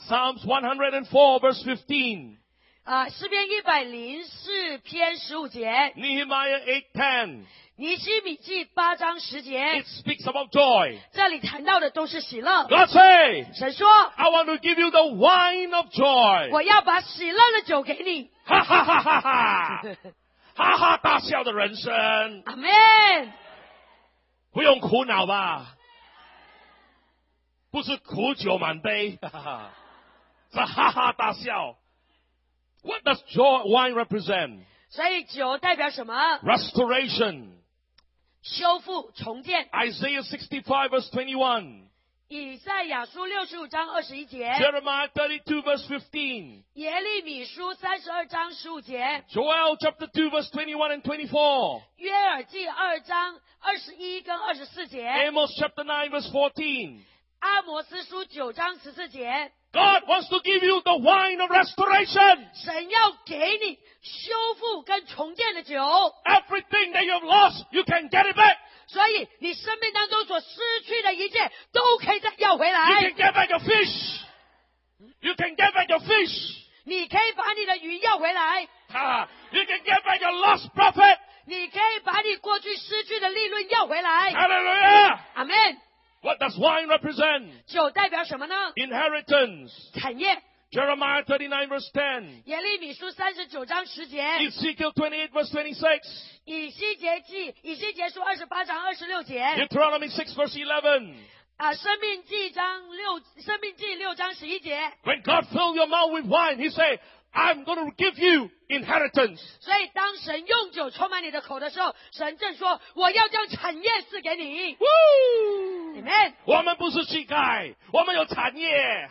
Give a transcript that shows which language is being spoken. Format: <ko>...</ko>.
<en>Psalms 104 verse 15.</en> <zh>诗篇104篇15节</zh> <en>Nehemiah 8:10</en> <zh>尼希米记8章10节</zh> <en>It speaks about joy</en> <zh>这里谈到的都是喜乐</zh> <en>God say</en> <zh>神说</zh> <en>I want to give you the wine of joy</en> <zh>我要把喜乐的酒给你哈哈哈哈哈哈哈哈大笑的人生</zh> <en>Amen</en> <zh>不用苦恼吧不是苦酒满杯是哈哈大笑</zh> <en>What does wine represent?</en> <zh>所以酒代表什么?</zh> <en>Restoration.</en> <zh>修复重建。</zh> <en>Isaiah 65 verse 21.</en> <zh>以赛亚书65章21节。</zh> <en>Jeremiah 32 verse 15.</en> <zh>耶利米书32章15节。</zh> <en>Joel chapter 2 verse 21 and 24.</en> <zh>约珥记2章21跟24节。</zh> <en>Amos chapter 9 verse 14.</en> <zh>阿摩斯书9章14节。</zh> <en>God wants to give you the wine of restoration.</en> <zh>神要给你修复跟重建的酒。</zh> <en>Everything that you've lost, you can get it back.</en> <zh>所以你生命当中所失去的一切都可以再要回来。</zh> <en>You can get back your fish. You can get back your fish.</en> <zh>你可以把你的鱼要回来。</zh> <en>You can get back your lost profit.</en> <zh>你可以把你过去失去的利润要回来。</zh> <en>Hallelujah. Amen. What does wine represent?</en> <zh>酒代表什么呢?</zh> <en>Inheritance.</en> <zh>产业。</zh> <en>Jeremiah 39 verse 10.</en> <zh>耶利米书39章10节。</zh> <en>Ezekiel 28 verse 26.</en> <zh>以西结书28章26节。</zh> <en>Deuteronomy 6 verse 11.</en> <zh>生命记6章11节。</zh> <en>When God filled your mouth with wine, he said,I'm going to give you inheritance.</en> <zh>所以当神用酒充满你的口的时候，神正说，我要将产业赐给你。</zh> <en>Woo! Amen.</en> <zh>我们不是乞丐，我们有产业。</zh>